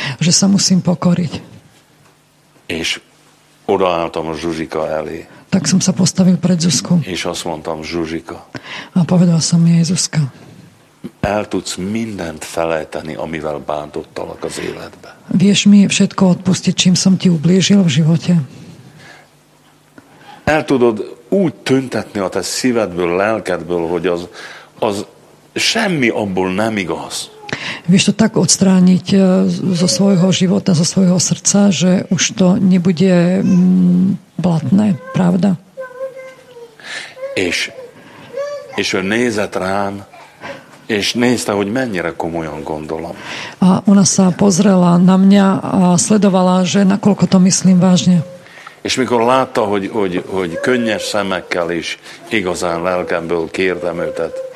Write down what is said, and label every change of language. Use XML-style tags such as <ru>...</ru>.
<sk>Že sa musím pokoriť.</sk> <hu>És odaálltam a Zsuzsika elé.</hu> <sk>tak som sa postavil pred Zuzku.</sk> <hu>És azt mondtam, Zsuzsika.</hu> <sk>A povedal som jej, Zuzka.</sk> <hu>El tudsz mindent felejteni, amivel bántottalak az életbe.</hu> <sk>Vieš mi všetko odpustiť, čím som ti ublížil v živote.</sk> <hu>El tudod úgy tüntetni a te szívedből, lelkedből, hogy az semmi abból nem igaz.</hu> <sk>Vieš to tak odstrániť zo svojho života, zo svojho srdca, že už to nebude blatné, pravda?</sk> <hu>És ő nézett rám, és nézte, hogy mennyire komolyan gondolom.</hu> <sk>A ona sa pozrela na mňa a sledovala, že nakoľko to myslím vážne.</sk> <hu>És mikor látta, hogy könnyes szemekkel is igazán lelkemből kérdem őtet.</hu>